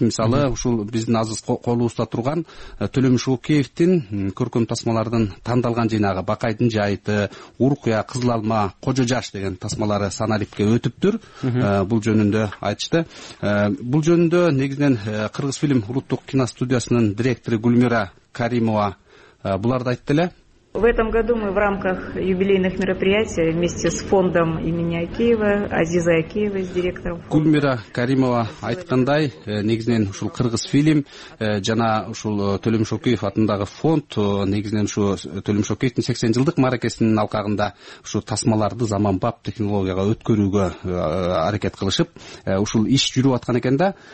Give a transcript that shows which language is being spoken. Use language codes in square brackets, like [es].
[ky] Мисалы ушул биздин азыр колубузда турган Төлөмүш Океевдин көркөм тасмалардын тандалган жыйнагы, Бакайдын жайыты, Уркуя, Кызыл алма, Кожо жаш деген тасмалары санарипке өтүптүр. Бул жөнүндө айтышты. Бул жөнүндө негизинен кыргыз фильм улуттук киностудиясынын директору Гүлмира Каримова буларды айтты эле. [ru] В этом году мы в рамках юбилейных мероприятий вместе с фондом имени Акеева, Азиза Акеева, с директором фонда. [ky] Гүлмира Каримова айткандай, негизинен ушул кыргыз фильм жана ушул Төлөмүш Океев атындагы фонд негизинен ушул Төлөмүш Океевдин 80 жылдык мааракесинин алкагында ушул тасмаларды заманбап технологияга өткөрүүгө аракет кылышып ушул иш жүрүп аткан экен да.